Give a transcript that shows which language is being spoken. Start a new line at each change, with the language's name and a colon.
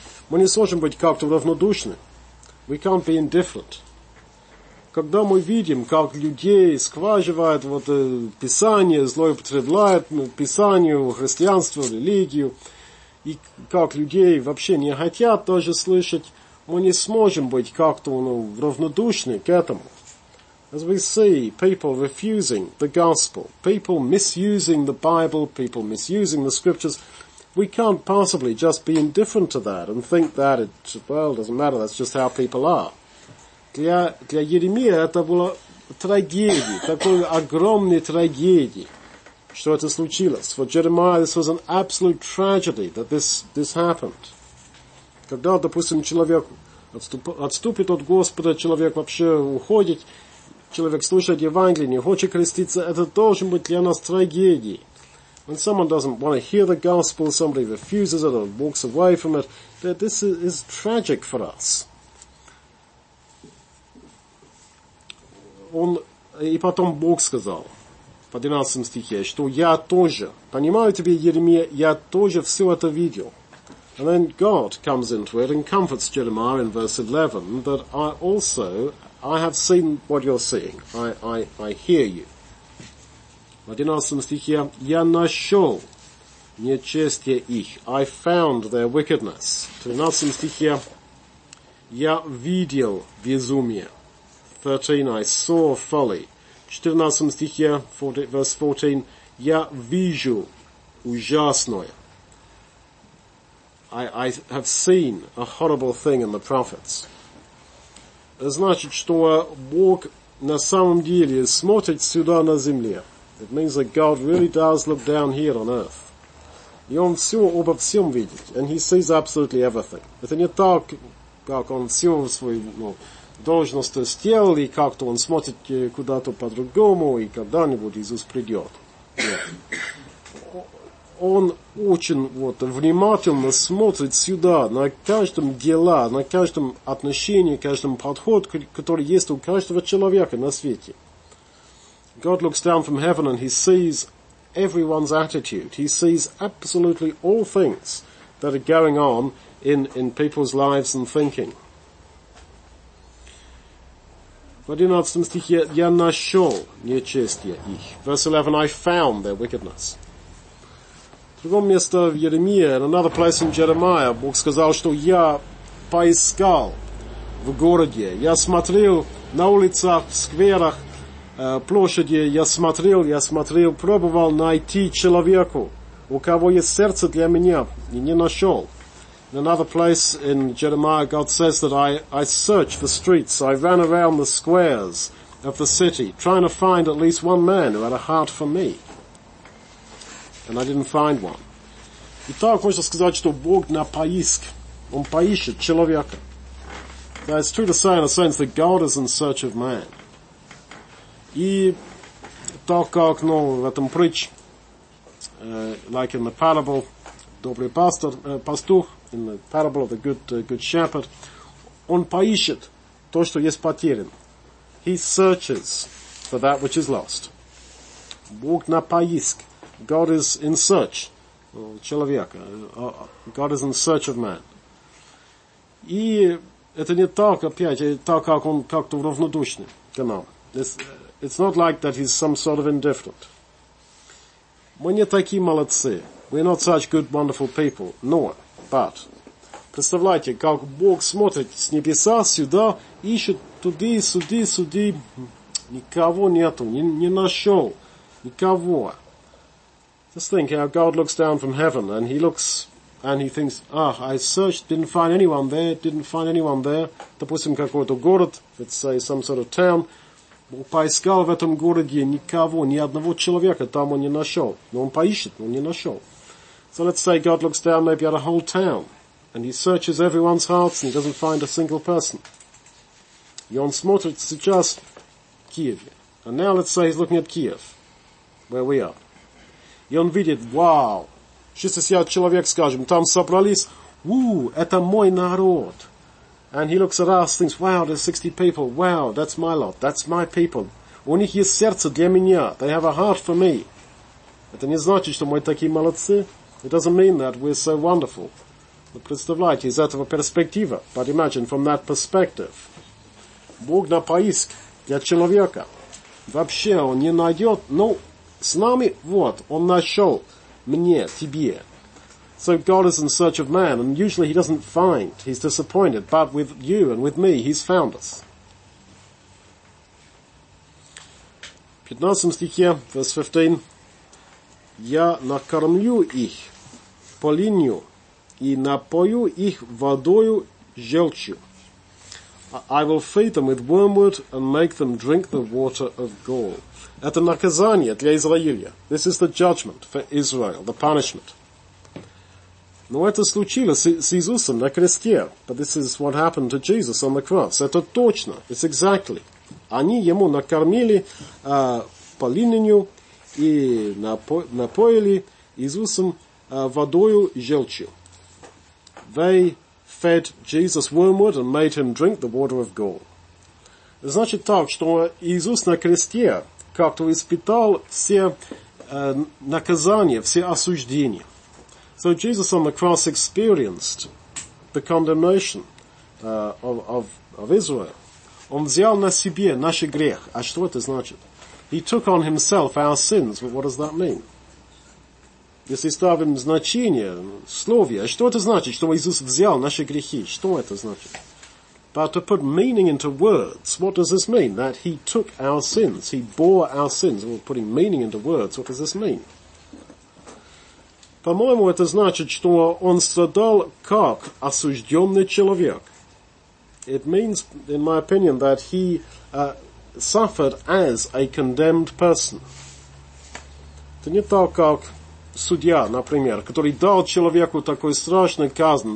Russian: Мы не сможем быть как-то равнодушны.
English: We can't be indifferent.
Russian: Когда мы видим, как людей скваживают вот, Писание, злоупотребляют Писанию, христианство, религию, и как людей вообще не хотят даже слышать, мы не сможем быть как-то равнодушны к этому.
English: As we see, people refusing the gospel, people misusing the Bible, people misusing the scriptures, we can't possibly just be indifferent to that and think that it, well, doesn't matter, that's just how people are.
Russian: Для Еремия это была трагедия, такая огромная трагедия, что это случилось.
English: For Jeremiah, this was an absolute tragedy that this happened.
Russian: Когда, допустим, человек отступит от Господа, человек вообще уходит, человек слушает Евангелие, не хочет креститься, это должен быть для нас трагедией.
English: When someone doesn't want to hear the gospel, somebody refuses it or walks away from it, this is tragic for us.
Russian: Он, и потом Бог сказал, по 12 стихе, что я тоже, понимаю тебе, Еремия, я тоже все это видел.
English: And then God comes into it and comforts Jeremiah in verse 11, that I have seen what you're seeing. I hear you.
Russian: В 11 стихе, я нашел нечестие их.
English: I found their wickedness.
Russian: В 13 стихе, я видел безумие.
English: 13, I saw folly.
Russian: В 14 стихе,
English: verse 14,
Russian: я вижу ужасное.
English: I have seen a horrible thing in the prophets.
Russian: Это значит, что Бог на самом деле смотрит сюда на земле.
English: It means that God really does look down here on earth.
Russian: И он все обо всем видит.
English: And he sees absolutely everything.
Russian: Это не так, как он все в свою должность сделал, и как-то он смотрит куда-то по-другому, и когда-нибудь Иисус придет. Нет. Он очень внимательно смотрит сюда, на каждом деле, на каждом отношении, каждом подход, который есть у каждого человека на свете.
English: God looks down from heaven and he sees everyone's attitude. He sees absolutely all things that are going on in people's lives and thinking.
Russian: В 11 стихе, я нашел нечестие их.
English: Verse 11, I found their wickedness.
Russian: В другом месте в Еремии,
English: in another place in Jeremiah,
Russian: Бог сказал, что я поискал в городе. Я смотрел на улицах, в скверах, площади. Я смотрел, пробовал найти человеку, у кого есть сердце для меня, и не нашел.
English: In another place in Jeremiah, God says that I searched the streets, I ran around the squares of the city, trying to find at least one man who had a heart for me. And I didn't find one.
Russian: Итак, хочется сказать, что Бог на поиск. Он поищет человека.
English: It's true to say, in a sense, that God is in search of man.
Russian: И так как, в этом притч,
English: like in the parable,
Russian: добрый пастух,
English: in the parable of the good shepherd,
Russian: он поищет то, что есть потерян.
English: He searches for that which is lost.
Russian: Бог на поиск.
English: God is in search of
Russian: человека.
English: God is in search of man.
Russian: И это не так, опять, так как он как-то равнодушный к нам.
English: It's not like that he's some sort of indifferent.
Russian: Мы не такие молодцы.
English: We're not such good, wonderful people.
Russian: But представляете, как Бог смотрит с небеса сюда, ищет туди-сюди Никого нету, не нашел. Никого.
English: Just think how God looks down from heaven and he looks and he thinks, ah, I searched, didn't find anyone there.
Russian: Допустим, какой-то город,
English: let's say some sort of town.
Russian: Он поискал в этом городе никого, ни одного человека там он не нашел. Но он поищет, но он не нашел.
English: So let's say God looks down maybe at a whole town and he searches everyone's hearts and he doesn't find a single person.
Russian: И он смотрит сейчас Киев.
English: And now let's say he's looking at Kiev, where we are.
Russian: И он видит, вау, 60 человек, скажем, там собрались, ууу, это мой народ.
English: And he looks at us, thinks, wow, there's 60 people, wow, that's my lot, that's my people.
Russian: У них есть сердце для меня,
English: they have a heart for me.
Russian: Это не значит, что мы такие молодцы.
English: It doesn't mean that we're so wonderful.
Russian: Но представляете, из этого перспектива,
English: but imagine from that perspective,
Russian: Бог на поиск для человека. Вообще он не найдет, ну, с нами, вот, он нашел мне, тебе.
English: So God is in search of man, and usually he doesn't find, he's disappointed, but with you and with me, he's found us.
Russian: 15 стихе,
English: verse 15.
Russian: Я накормлю их по линию и напою их водою желчью.
English: I will feed them with wormwood and make them drink the water of gall.
Russian: Это наказание для Израиля.
English: This is the judgment for Israel, the punishment.
Russian: Но это случилось с Иисусом на кресте.
English: But this is what happened to Jesus on the cross.
Russian: Это точно.
English: It's exactly.
Russian: Они ему накормили по линию и напоили Иисусом водою желчью.
English: They fed Jesus wormwood and made him drink the water of gall.
Russian: Значит так, что Иисус на кресте как-то испытал все наказания, все осуждения.
English: So Jesus on the cross experienced the condemnation of Israel.
Russian: Он взял на себе наш грех. А что это значит?
English: He took on himself our sins. But what does that mean?
Russian: Если ставим значение, словие, что это значит, что Иисус взял наши грехи? Что это значит?
English: But to put meaning into words, what does this mean? That he took our sins, he bore our sins. Well, putting meaning into words, what does this mean?
Russian: По-моему, это значит, что он страдал как осужденный человек.
English: It means, in my opinion, that he suffered as a condemned person.
Russian: Это не так, как судья, например, который дал человеку такой страшный казнь.